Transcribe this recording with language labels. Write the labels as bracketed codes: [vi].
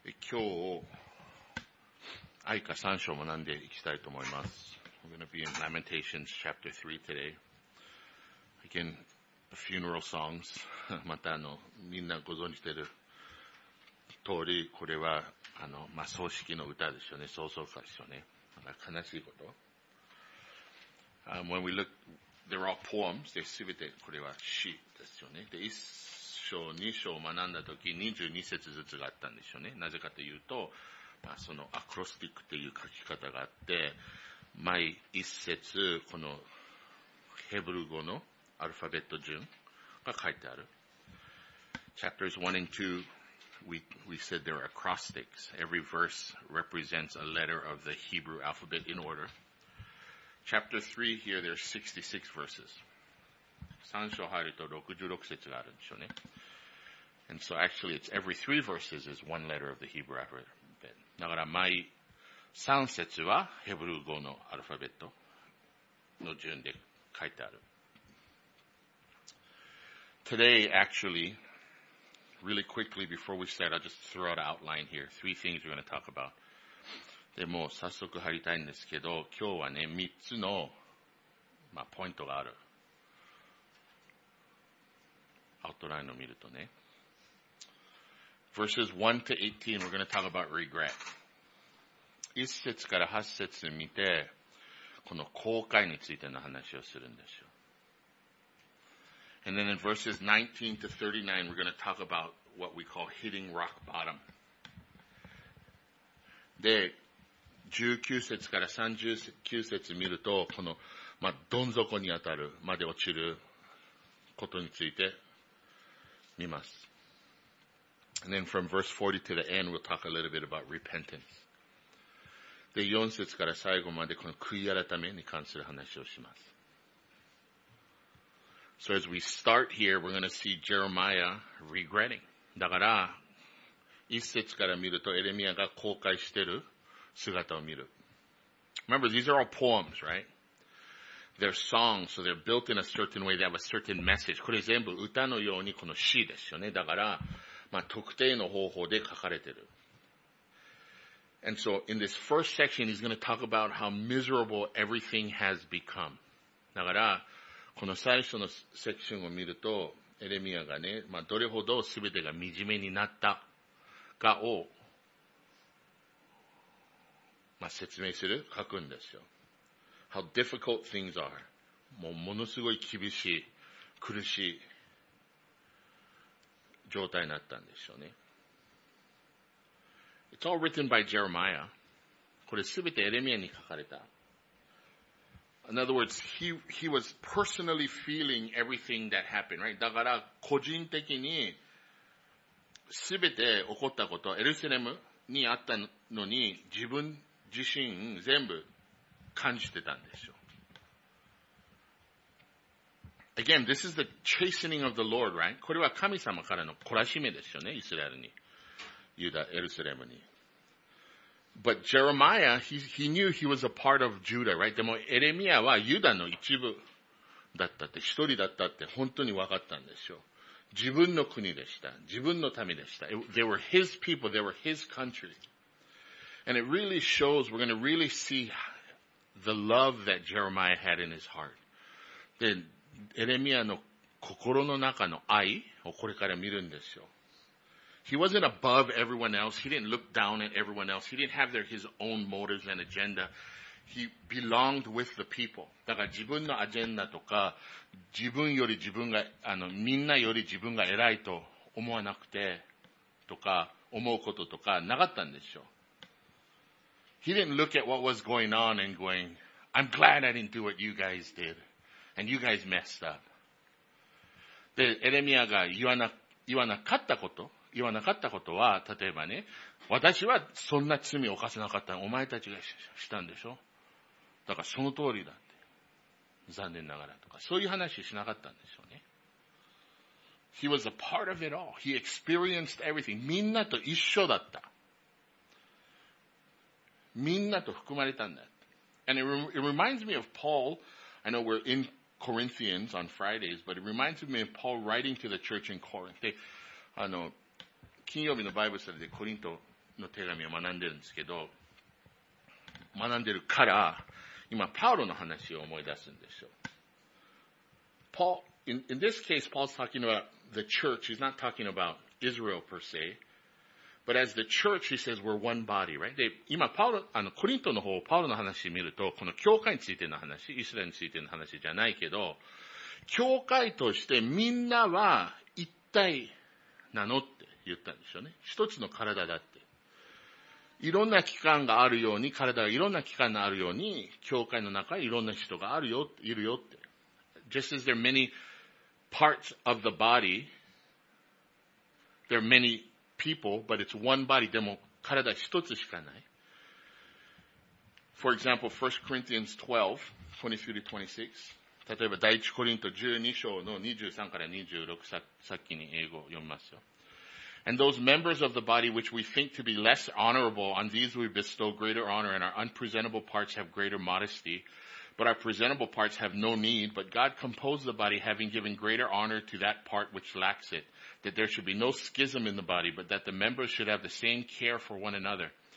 [ja] 今日、愛歌三章を学んでいきたいと思います。 [en] We're going to be in Lamentations chapter 3 today. Again, funeral songs. [ja] またみんなご存知している通り、これは葬式の歌ですよね。葬送歌ですよね。悲しいこと。 [en] When we look, they're all poems. [ja] で、すべてこれは詩ですよね。で、一章、二章を学んだとき、22節ずつがあったんですよね。なぜかというと、そのアクロスティックという書き方があって、毎一節、このヘブル語のアルファベット順が書いてある。 [en] Chapters 1 and 2, we said there are acrostics. Every verse represents a letter of the Hebrew alphabet in order. Chapter 3 here, there are 66 verses. [ja] 3章入ると66節があるんでしょうね。 [en] And so actually it's every 3 verses is one letter of the Hebrew alphabet. [ja] だから毎3節はヘブル語のアルファベットの順で書いてある。 [en] Today actually, really quickly before we start, I'll just throw out an outline here. 3 things we're going to talk about. [ja] でも早速入りたいんですけど、今日はね、3つの、ポイントがある。アウトラインを見るとね。 [en] Verses 1 to 18, we're going to talk about regret. [ja] 1節から8節見て、この後悔についての話をするんですよ。 [en] And then in verses 19 to 39, we're going to talk about what we call hitting rock bottom. [ja] で、19節から39節見ると、この、どん底に当たるまで落ちることについて見ます。 [en] And then from verse 40 to the end, we'll talk a little bit about repentance. [ja] で、4節から最後までこの悔い改めに関する話をします。 [en] So as we start here, we're going to see Jeremiah regretting. [ja] だから、1節から見るとエレミアが後悔してる。 [en] Remember, these are all poems, right? They're songs, so they're built in a certain way. They have a certain message. [ja] これ全部歌のようにこの詩ですよね。だから、特定の方法で書かれてる。 [en] And so, in this first section, he's going to talk about how miserable everything has become. [ja] だから、この最初のセクションを見ると、エレミアがね、どれほど全てが惨めになったかを説明する、書くんですよ。 [en] How difficult things are. [ja] もうものすごい厳しい、苦しい状態になったんでしょうね。 [en] It's all written by Jeremiah. [ja] これすべてエレミアに書かれた。 [en] In other words, he was personally feeling everything that happened, right? [ja] だから個人的にすべて起こったこと、エルサレムにあったのに自分、自身全部感じてたんですよ。 [en] Again, this is the chastening of the Lord, right? [ja] これは神様からの懲らしめですよね、イスラエルに。ユダ、エルサレムに。 [en] But Jeremiah, he knew he was a part of Judah, right? [ja] でもエレミアはユダの一部だったって、一人だったって本当に分かったんですよ。自分の国でした。自分の民でした。 [en] They were his people, they were his country. And it really shows, we're going to really see the love that Jeremiah had in his heart. [ja] で、エレミアの心の中の愛をこれから見るんですよ。 [en] He wasn't above everyone else. He didn't look down at everyone else. He didn't have their, his own motives and agenda. He belonged with the people. [ja] だから自分のアジェンダとか、自分より自分が、みんなより自分が偉いと思わなくて、とか、思うこととかなかったんですよ。 [en] He didn't look at what was going on and going, I'm glad I didn't do what you guys did. And you guys messed up. [ja] で、エレミアが言わなかったことは、例えばね、私はそんな罪を犯せなかった。お前たちがしたんでしょ?だからその通りだって。残念ながらとか。そういう話しなかったんでしょうね。 [en] He was a part of it all. He experienced everything. [ja] みんなと一緒だった。みんなと含まれたんだ。 [en] And it reminds me of Paul. I know we're in Corinthians on Fridays, but it reminds me of Paul writing to the church in Corinth. [ja] 金曜日のバイブスタディでコリントの手紙を学んでるんですけど、学んでるから、今、パウロの話を思い出すんですよ。 [en] Paul, in this case, Paul's talking about the church. He's not talking about Israel per se. But as the church, he says we're one body, right? [ja] で、今、パウロ、あの、コリントの方、パウロの話を見ると、この教会についての話、イスラエルについての話じゃないけど、教会としてみんなは一体なのって言ったんですよね。一つの体だって。いろんな器官があるように、体がいろんな器官があるように、教会の中にいろんな人があるよ、いるよって。 [en] Just as there are many parts of the body, there are many people, but it's one body, [ja] でも体一つしかない。 [en] For example, 1 Corinthians 12:23-26. [ja] 例えば第一コリント12章の23から26、さっきに英語を読みますよ。 [en] And those members of the body which we think to be less honorable, on these we bestow greater honor, and our unpresentable parts have greater modesty, but our presentable parts have no need, but God composed the body, having given greater honor to that part which lacks it, that there should be no schism in the body, but that the members should have the same care for one another.